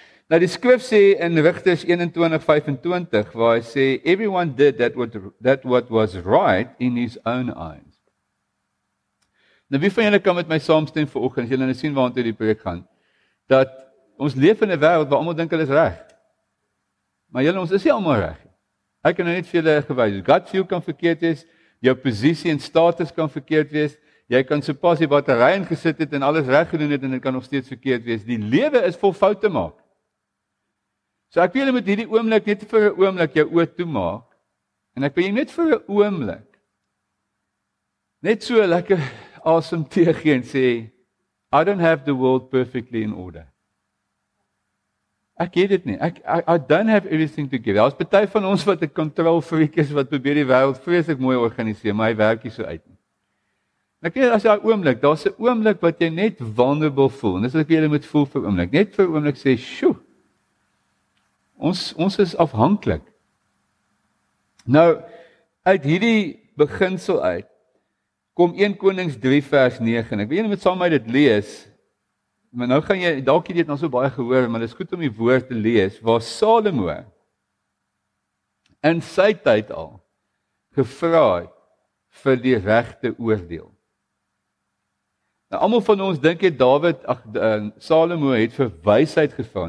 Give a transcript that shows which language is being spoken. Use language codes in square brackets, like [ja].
[af] Nou die skrif sê in Rigters 21:25 waar hy sê [en] everyone did that what was right in his own eyes. [af] Nou wie van julle kan met my saamstem vanoggend as julle nou sien waartoe die preek gaan dat ons leef in 'n wêreld waar almal dink hulle is reg. Maar julle ons is nie almal reg nie. Ek kan nou net vir julle gewys. God se view kan verkeerd wees. Jou posisie en status kan verkeerd wees. Jy kan sopas die battery ingesit het en alles reg gedoen het en dit kan nog steeds verkeerd wees. Die lewe is vol foute maak. So ek wil julle met hierdie oomblik net vir 'n oomblik jou oë toemaak. En ek wil jy net vir 'n oomblik net so lekker asem te gee en sê [en] I don't have the world perfectly in order. [af] Ek het dit nie. [en] I don't have everything to give. [af] Daar's party van ons wat 'n control freak is wat probeer die wêreld vreeslik mooi organiseer, maar hy werk nie so uit nie. Ek weet as jy 'n oomblik, daar's 'n oomblik wat jy net vulnerable voel. En dis wat ek julle moet voel vir 'n oomblik. Net vir 'n oomblik sê, "Sjoe. Ons is afhanklik." Nou uit hierdie beginsel uit kom 1 Konings 3 vers 9. Ek wil julle met saam met dit lees. Maar nou gaan jy dalk hierdie nou so baie gehoor, maar dit is goed om die woord te lees waar Salomo in sy tyd al gevra het vir die regte oordeel. Nou almal van ons dink dit Dawid, Salomo het vir wysheid gevra.